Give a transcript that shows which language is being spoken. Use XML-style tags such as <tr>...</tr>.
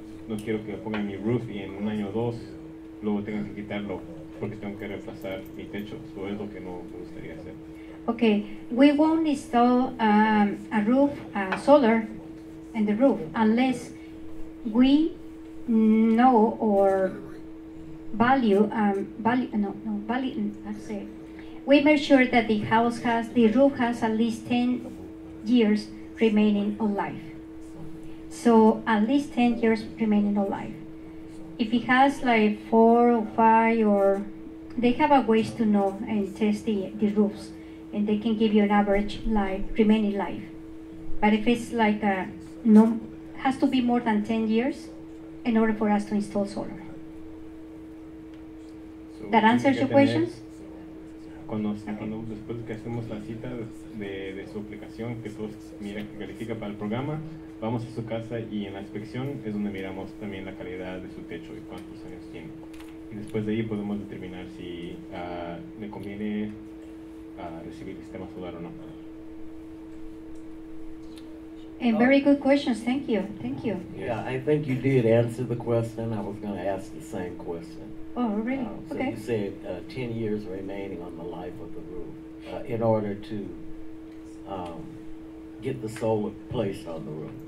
<es>No quiero que pongan mi roof y en un año o dos luego tengan que quitarlo porque tengo que reemplazar mi techo. Eso es lo que no me gustaría hacer.</es> <en>Okay, we won't install a roof, a solar in the roof, unless we know or we make sure that the roof has at least 10 years remaining on life. So at least 10 years remaining on life. If it has like 4 or 5, or they have a ways to know and test the roofs, and they can give you an average life, remaining life. But if it's like a no, has to be more than 10 years in order for us to install solar. So that answers your questions?</en> <es>Cuando después que hacemos la cita de su aplicación, que todos miran que califica para el programa, vamos a su casa y en la inspección es donde miramos también la calidad de su techo y cuántos años tiene. Y después de ahí podemos determinar si le conviene recibir el sistema solar o no.</es> <en>And very good questions. Thank you. Yeah, I think you did answer the question. I was going to ask the same question. Oh, really? So okay. You said 10 years remaining on the life of the roof in order to get the solar placed on the roof.</en>